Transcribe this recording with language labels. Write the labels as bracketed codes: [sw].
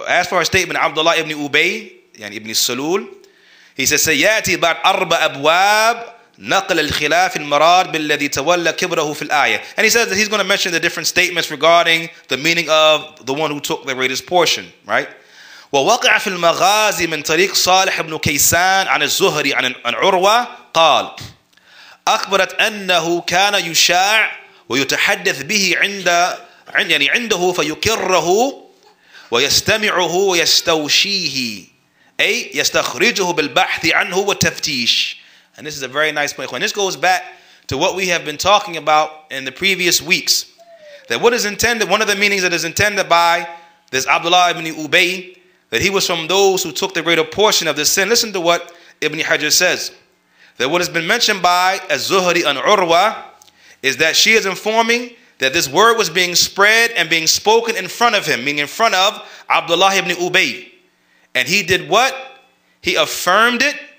[en] As for our statement, Abdullah ibn Ubayt, yani ibn Salul, he says, [ar] سَيَّاتِ بَعْدْ أَرْبَ أَبْوَابٍ نقل الخلاف المراد بالذي تولى كبره في الآية. [en] And he says that he's going to mention the different statements regarding the meaning of the one who took the greatest portion, right? [ar] ووقع في المغازي من طريق صالح بن كيسان عن الزهري عن عروة قال أخبرت أنه كان يشاع ويتحدث به عنده فيكره ويستمعه ويستوشيه أي يستخرجه بالبحث عنه والتفتيش. [en] And this is a very nice point. And this goes back to what we have been talking about in the previous weeks. That what is intended, one of the meanings that is intended by this Abdullah ibn Ubayy, that he was from those who took the greater portion of the sin. Listen to what Ibn Hajar says. That what has been mentioned by Az-Zuhri and Urwa is that she is informing that this word was being spread and being spoken in front of him, meaning in front of Abdullah ibn Ubayy. And he did what? He affirmed it.